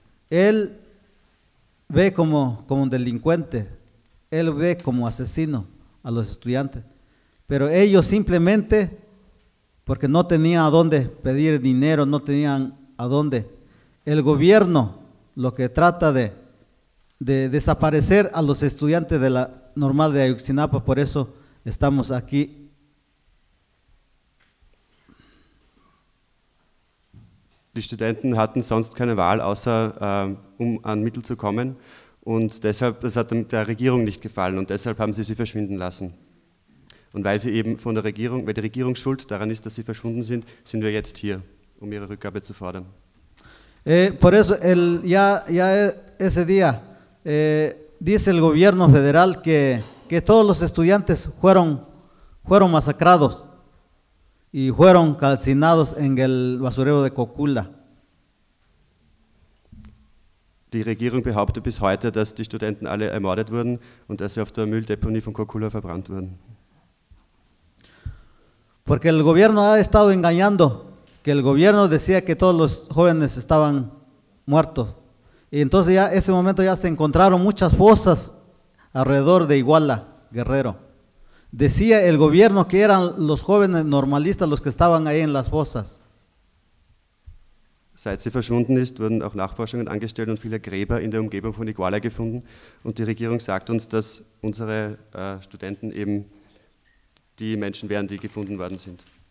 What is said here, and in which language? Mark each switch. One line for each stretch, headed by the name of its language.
Spanish: Él ve como un delincuente, él ve como asesino a los estudiantes, pero ellos simplemente, porque no tenían a dónde pedir dinero, no tenían a dónde, el gobierno lo que trata de desaparecer a los estudiantes de la normal de Ayotzinapa, por eso estamos aquí.
German: Die Studenten hatten sonst keine Wahl, außer um an Mittel zu kommen. Und deshalb, das hat der Regierung nicht gefallen und deshalb haben sie sie verschwinden lassen. Und weil sie eben von der Regierung, weil die Regierung schuld daran ist, dass sie verschwunden sind, sind wir jetzt hier, um ihre Rückgabe zu fordern.
Spanish: Por eso, ya ese día, dice el gobierno federal que todos los estudiantes fueron masacrados. Y fueron calcinados en el basurero de Cocula.
German: Die Regierung behauptet bis heute, dass die Studenten alle ermordet wurden und dass sie auf der Mülldeponie von Cocula verbrannt wurden.
Spanish: Porque el gobierno ha estado engañando, que el gobierno decía que todos los jóvenes estaban muertos. Y entonces ya ese momento ya se encontraron muchas fosas alrededor de Iguala, Guerrero. Decía el gobierno que eran los jóvenes normalistas los que estaban ahí en las fosas.
German: Seit sie verschwunden ist, wurden auch Nachforschungen angestellt und viele Gräber in der Umgebung von Iguala gefunden. Und die Regierung sagt uns, dass unsere Studenten eben die Menschen wären, die gefunden worden sind.